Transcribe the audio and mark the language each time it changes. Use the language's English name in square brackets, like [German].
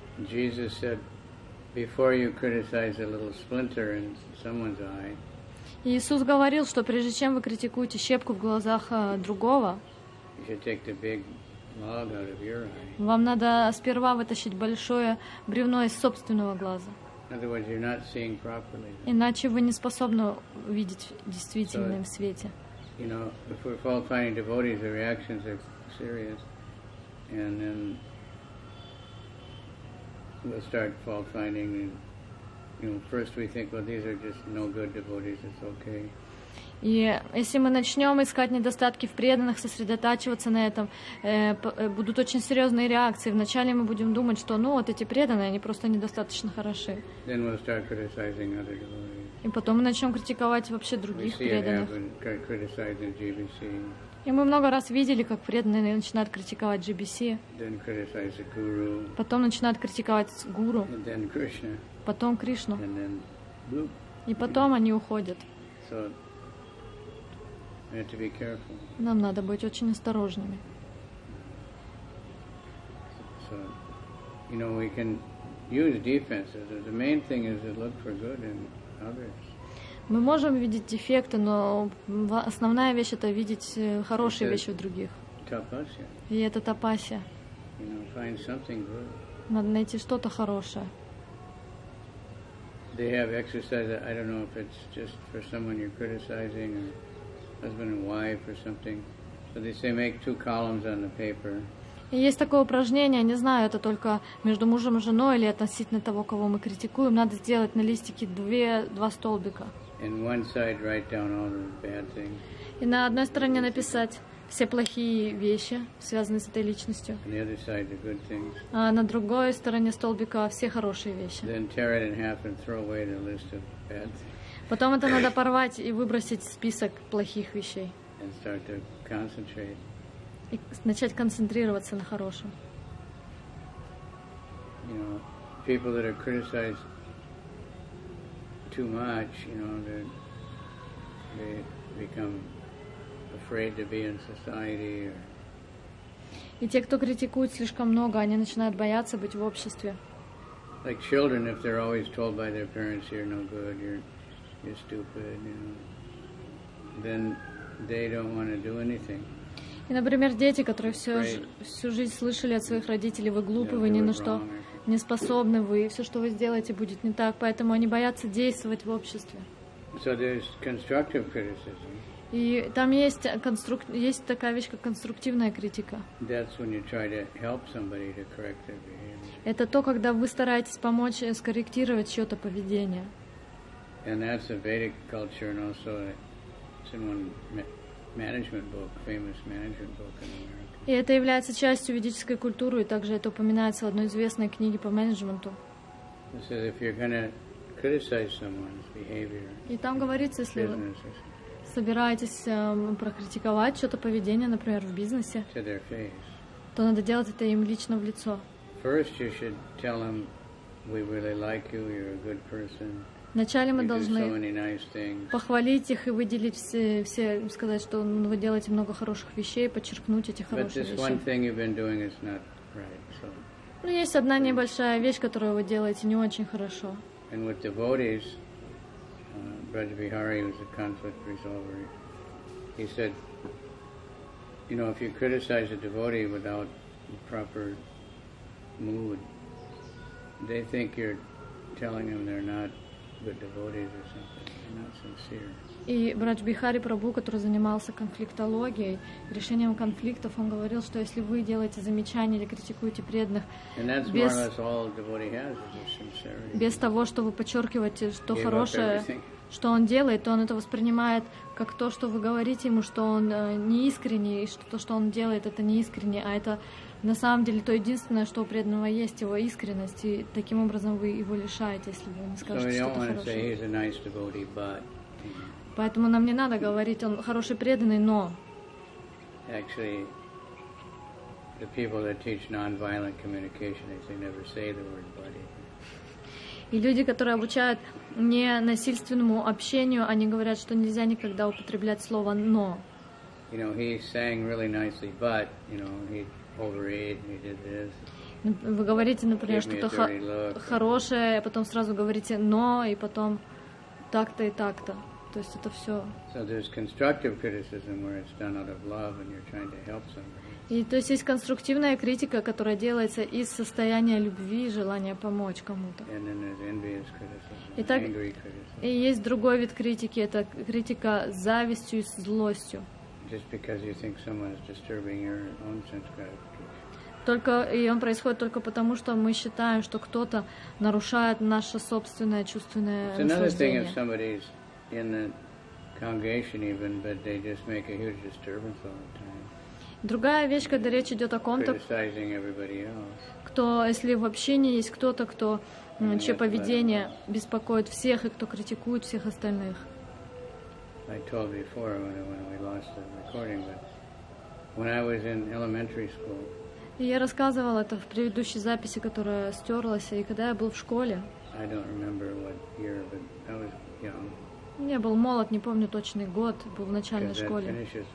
[English] Jesus said, before you criticize a little splinter in someone's eye. [Russian] Иисус говорил, что прежде чем вы критикуете щепку в глазах другого, [English] you should take the big log out of your eye. [Russian] Вам надо сперва вытащить большое бревно из собственного глаза. [English] In other words, you're not seeing properly. [Russian] Иначе вы не способны видеть в действительном свете. [English] You know, if we're fault-finding devotees, the reactions are serious, and then we'll start fault-finding. You know, first we think, well, these are just no good devotees. It's okay. [Russian] И если мы начнем искать недостатки в преданных, сосредотачиваться на этом, будут очень серьезные реакции. Вначале мы будем думать, что, ну, вот эти преданные, они просто недостаточно хороши. [English] Then we'll start criticizing other devotees. [Russian] И потом мы начнем критиковать вообще других преданных. [English] Criticizing GBC. [Russian] И мы много раз видели, как преданные начинают критиковать GBC. [English] Then criticize the guru. [Russian] Потом начинают критиковать гуру. [English] And then Krishna. [Russian] Потом Кришну. [English] And then bloop. [Russian] И потом они уходят. [English] So, we have to be careful. [Russian] Нам надо быть очень осторожными. [English] So, you know, we can use defenses. The main thing is to look for good in others. [Russian] Мы можем видеть дефекты, но основная вещь — это видеть хорошие вещи в других. [English] Tapasya. [Russian] И это тапасия. [English] You know, find something good. [Russian] Надо найти что-то хорошее. [English] They have exercises. I don't know if it's just for someone you're criticizing, or husband and wife, or something. So they say make two columns on the paper. [Russian] Есть такое упражнение, не знаю, это только между мужем и женой или относительно того, кого мы критикуем. Надо сделать на листике два столбика. [English] And one side write down all the bad things. [Russian] И на одной стороне написать все плохие вещи, связанные с этой личностью. [English] On the other side, the good things. [Russian] А на другой стороне столбика все хорошие вещи. [English] Then tear it in half and throw away the list of bad things. [Russian] Потом это надо порвать и выбросить список плохих вещей. [English] And start to concentrate. [Russian] И начать концентрироваться на хорошем. [English] You know, people that are criticized too much, you know, they become afraid to be in society. Or... [Russian] И те, кто критикует слишком много, они начинают бояться быть в обществе. [English] Like children, if they're always told by their parents, you're no good, you're stupid, you know, then they don't want to do anything. [Russian] И, например, дети, которые всю жизнь слышали от своих родителей, вы глупы, вы ни на что не способны, вы, все, что вы сделаете, будет не так, поэтому они боятся действовать в обществе. [English] So there's constructive criticism. [Russian] И там есть такая вещь, как конструктивная критика. [English] That's when you try to help somebody to correct their behavior. [Russian] Это то, когда вы стараетесь помочь скорректировать чье-то поведение. [English] And that's a Vedic culture, and also it's in one management book, famous management book in America. [Russian] И это является частью ведической культуры, и также это упоминается в одной известной книге по менеджменту. [English] It says if you're gonna criticize someone's behavior. [Russian] И там говорится, если вы собираетесь прокритиковать что-то поведение, например, в бизнесе, [English] to their face, [Russian] то надо делать это им лично в лицо. [English] First you should tell them we really like you, you're a good person. [Russian] Вначале мы [English] you [Russian] должны [English] do so many nice things. [Russian] Похвалить их и выделить все, сказать, что вы делаете много хороших вещей, подчеркнуть эти хорошие вещи. [English] But this [Russian] вещи. [English] One thing you've been doing is not right. So. [Russian] Ну есть одна [English] please. [Russian] Небольшая вещь, которую вы делаете не очень хорошо. [English] And with devotees, Brajbihari was a conflict resolver. He said, you know, if you criticize a devotee without proper mood, they think you're telling them they're not good devotees or something. They're not sincere. [Russian] И Брадж-Бихари Прабху, который занимался конфликтологией, решением конфликтов, он говорил, что если вы делаете замечания или критикуете преданных без того, что вы подчеркиваете, что хорошее, что он делает, то он это воспринимает как то, что вы говорите ему, что он неискренний, и что то, что он делает, это неискренне, а это на самом деле то единственное, что у преданного есть, его искренность, и таким образом вы его лишаете, если вы не скажете что-то хорошее. Поэтому нам не надо говорить, он хороший преданный, но... [English] Actually, the people that teach non-violent communication, they never say the word buddy. [Russian] И люди, которые обучают ненасильственному общению, они говорят, что нельзя никогда употреблять слово «но». [English] You know, he sang really nicely, but, you know, he overate, he did this. [Russian] Вы говорите, например, что-то хорошее, а потом сразу говорите «но», и потом так-то и так-то. То есть это все. [English] So there's constructive criticism where it's done out of love and you're trying to help somebody. [Russian] И то есть есть конструктивная критика, которая делается из состояния любви и желания помочь кому-то. [English] And then there's envious criticism, [Russian] Итак, [English] angry criticism. [Russian] И есть другой вид критики, это критика завистью и злостью. [English] Just because you think someone is disturbing your own sense gratification. [Russian] Только и он происходит только потому, что мы считаем, что кто-то нарушает наше собственное чувственное наслаждение. [English] In the congregation even, but they just make a huge disturbance all the time. [Russian] Другая вещь, когда речь идет о ком-то, [English] criticizing everybody else. [Russian] Кто, если в общине есть кто-то, кто, чье поведение беспокоит всех и кто критикует всех остальных. [English] I told before when we lost the recording, but when I was in elementary school. [Russian] И я рассказывала это в предыдущей записи, которая стерлась, и когда я был в школе. [English] I don't remember what year, but I was young. [Russian] Я был молод, не помню точный год, был в начальной школе.